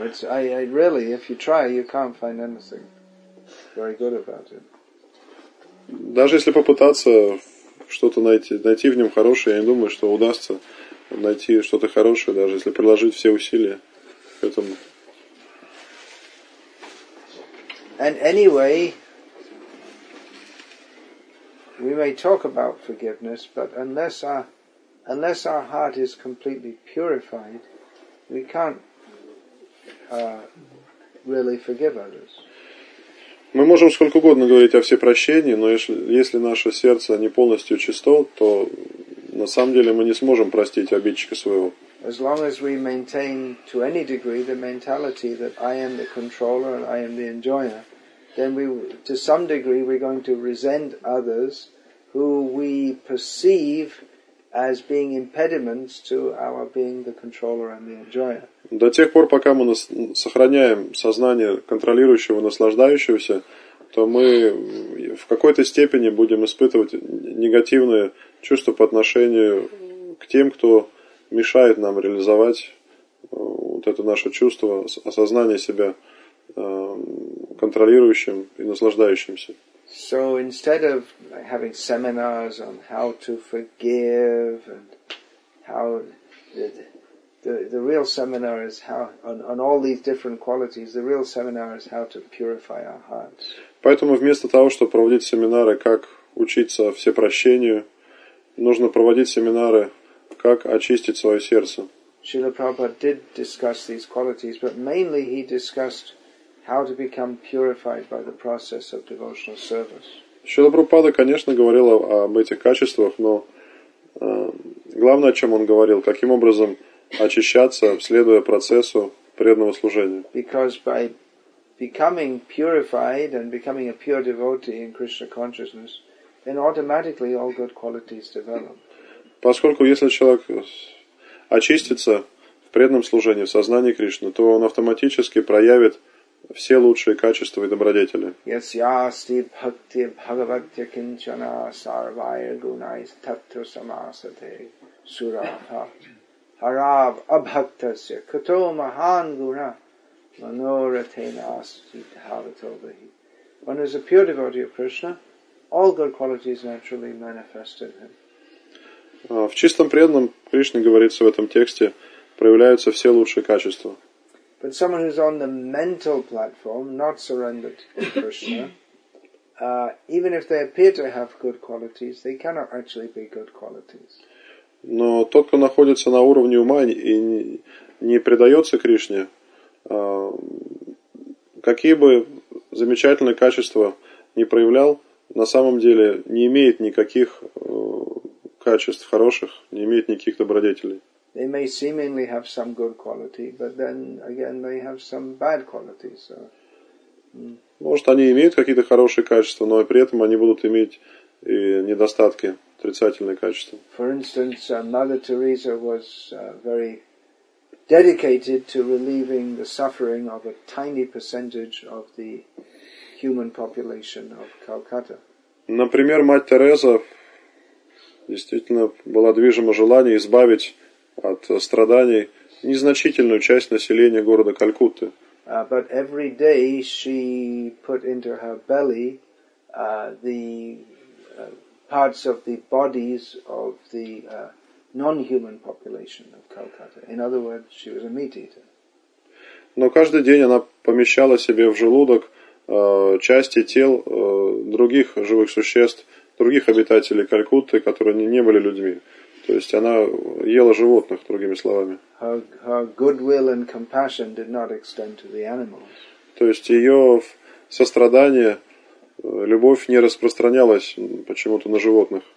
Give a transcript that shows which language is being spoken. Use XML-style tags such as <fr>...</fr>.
<en>It's I really, if you try, you can't find anything very good about it.</en> <ru>Даже если попытаться что-то найти в нем хорошее, я не думаю, что удастся найти что-то хорошее, даже если приложить все усилия к этому.</ru> <en>And anyway, we may talk about forgiveness, but unless our heart is completely purified. We can't really forgive others.</en> <ru>Мы можем сколько угодно говорить о всепрощении, но если наше сердце не полностью чисто, то на самом деле мы не сможем простить обидчика своего.</ru> <en>As long as we maintain to any degree the mentality that I am the controller and I am the enjoyer, then we to some degree we're going to resent others who we perceive as being impediments to our being the controller and the enjoyer.</en> <ru>До тех пор, пока мы сохраняем сознание контролирующего, наслаждающегося, то мы в какой-то степени будем испытывать негативные чувства по отношению к тем, кто мешает нам реализовать вот это наше чувство, осознание себя контролирующим и наслаждающимся.</ru> <en>So instead of having seminars on how to forgive and how the real seminar is how on all these different qualities, the real seminar is how to purify our hearts.</en> <ru>Поэтому вместо того, чтобы проводить семинары, как учиться всепрощению, нужно проводить семинары, как очистить свое сердце.</ru> <en>Srila Prabhupada did discuss these qualities, but mainly he discussed how to become purified by the process of devotional service.</en> <ru>Srila Prabhupada, конечно, говорил об этих качествах, но главное, о чем он говорил, каким образом очищаться, следуя процессу преданного служения.</ru> <en>Because by becoming purified and becoming a pure devotee in Krishna consciousness, then automatically all good qualities develop.</en> <ru>Поскольку если человек очистится в преданном служении, в сознании Кришны, то он автоматически проявит все лучшие качества и добродетели.</ru> <sa>Yasyasti bhakti bhagavatya kinchana sarvaya gunai tattva samasate surabha harav abhaktasya kato mahan guna manoratena asitavatovahi.</sa> <en>One is a pure devotee of Krishna, all good qualities naturally manifest in him.</en> <ru>В чистом преданном, Кришна говорится в этом тексте, проявляются все лучшие качества.</ru> <en>But someone who's on the mental platform, not surrendered to Krishna, even if they appear to have good qualities, they cannot actually be good qualities.</en> <ru>Но тот, кто находится на уровне ума и не предается Кришне, какие бы замечательные качества не проявлял, на самом деле не имеет никаких качеств хороших, не имеет никаких добродетелей.</ru> <en>They may seemingly have some good quality, but then again they have some bad qualities. So.</en> <ru>Может, они имеют какие-то хорошие качества, но при этом они будут иметь и недостатки, отрицательные качества.</ru> <en>For instance, Mother Teresa was very dedicated to relieving the suffering of a tiny percentage of the human population of Calcutta.</en> <ru>Например, мать Тереза действительно была движима желанием избавить от страданий незначительную часть населения города Калькутты.</ru> <en>But every day she put into her belly the parts of the bodies of the non-human population of Calcutta. In other words, she was a meat eater.</en> <ru>Но каждый день она помещала себе в желудок части тел других живых существ, других обитателей Калькутты, которые не были людьми. То есть она ела животных, другими словами.</ru> <en>Her goodwill and compassion did not extend to the animals.</en> <ru>То есть ее сострадание, любовь не распространялась почему-то на животных.</ru>